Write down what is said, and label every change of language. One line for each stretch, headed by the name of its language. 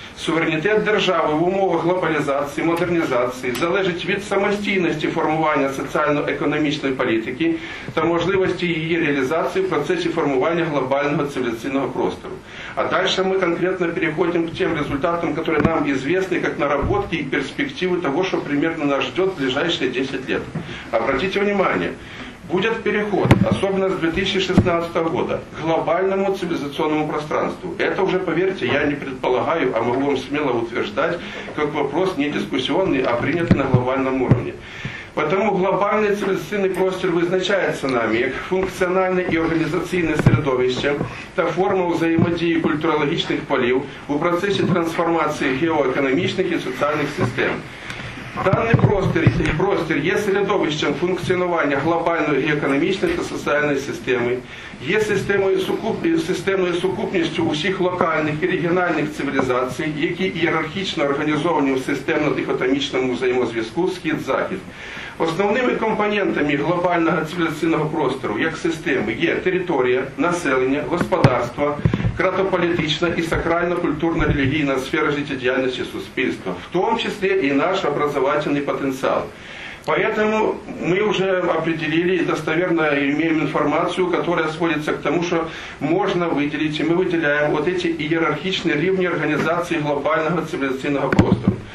Ukrainian: Суверенітет держави в умовах глобалізації, модернізації залежить від самостійності формування соціально-економічної політики та можливості її реалізації в процесі формування глобального цивілізаційного простору. А дальше ми конкретно переходимо к тим результатам, які нам відомі як наработки і перспективи того, що приблизно нас чекає в ближайші 10 років. Обратіть увагу.
Russian: Будет переход, особенно с 2016 года, к глобальному цивилизационному пространству. Это уже, поверьте, я не предполагаю, а могу вам смело утверждать, как вопрос не дискуссионный, а принятый на глобальном уровне. Потому глобальный цивилизационный
Ukrainian: простір визначається нами як функціональне і організаційне середовище та форма взаємодії культурологічних полів у процесі трансформації геоекономічних і соціальних систем. Даний простір є середовищем функціонування глобальної економічної та соціальної системи, є системною сукупністю усіх локальних і регіональних цивілізацій, які ієрархічно організовані у системно-дихотомічному взаємозв'язку «Схід-Захід». Основними компонентами глобального цивілізаційного простору як системи є територія, населення, господарство, кратополітична і сакрально-культурно-релігійна сфера життєдіяльності суспільства, в тому числі і наш образовательний потенціал.
Russian: Поэтому мы уже определили и достоверно имеем информацию, которая сводится к тому, что можно выделить, и мы выделяем вот эти иерархичные уровни организации глобального цивилизационного простора.